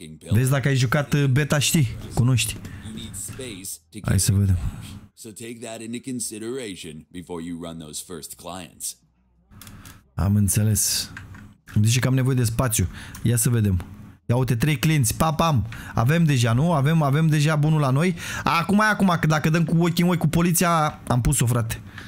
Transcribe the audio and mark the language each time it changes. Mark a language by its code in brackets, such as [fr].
[ro] Vezi, dacă ai jucat beta, știi, cunoști. Hai să vedem. [en] So take that into consideration before you run those first clients. [ro] Am înțeles. Îmi zice că am nevoie de spațiu. Ia să vedem. Ia uite, 3 clienți. Pam, pam. Avem deja, nu? Avem deja bunul la noi. Acum e acum, că dacă dăm cu ochii în ochi cu poliția, am pus-o, frate.